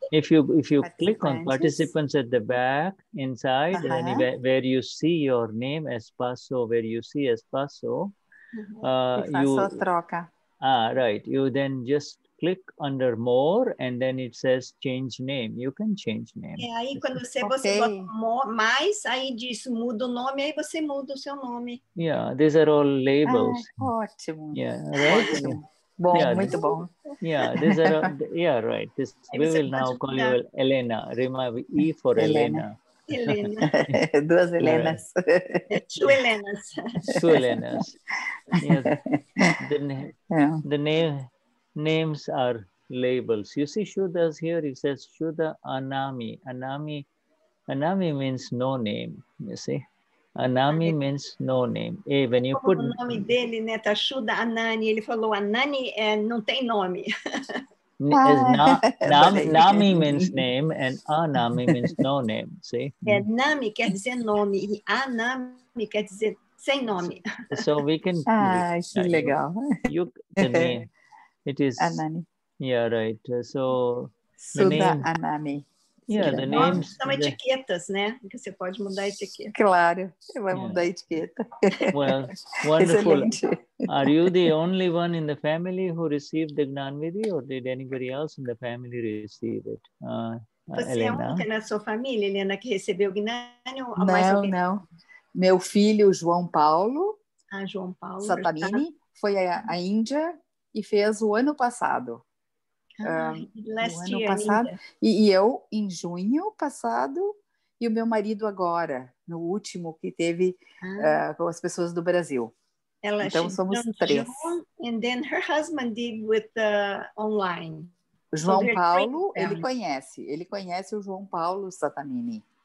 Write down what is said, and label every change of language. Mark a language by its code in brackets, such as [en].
[en] If you click on participants at the back inside, and where you see your name Espasso, where you see Espasso. You then just click under more and then it says change name. You can change name. [pt] É, aí quando você bota mais, aí diz muda o nome, aí você muda o seu nome. [en] Yeah, these are all labels. [pt] Ótimo. [en] Yeah, right? [pt] Ótimo. Bom, yeah, muito bom. [en] Yeah, these are all, yeah, right. This, we will now call you Helena. Remove E for Helena. Helena. [pt] Duas Helenas. [en] Two Helenas. Two Helenas. Yeah, the names are labels. You see, Shuddha's here. It says Shuddha Anami. Anami means no name. You see, Anami means no name. Hey, when you put [pt] o nome dele, né, tá Shuddha Anani. Ele falou Anani é não tem nome. [en] Nami means name and Anami means no name. See? [pt] Yeah, Nami quer dizer nome e Anami quer dizer sem nome. [en] So we can. [pt] Que legal. [en] It is. Anami. Yeah, right. So. Suda Anami. Yeah, the names. [pt] São etiquetas, né? Que você pode mudar a etiqueta. Claro, você vai mudar a etiqueta. [en] Well, wonderful. Are you the only one in the family who received the Gnan Vidhi, or did anybody else in the family receive it? [pt] Você é a única na sua família, Helena, que recebeu o Gnan? Não. Meu filho, João Paulo. Ah, João Paulo. Satamini, foi à Índia e fez o ano passado. [en] Last year, [pt] eu em junho passado e o meu marido agora no último que teve com as pessoas do Brasil. Então somos três. [en] And then her husband did with the online. [pt] João Paulo, ele conhece o João Paulo Satamini.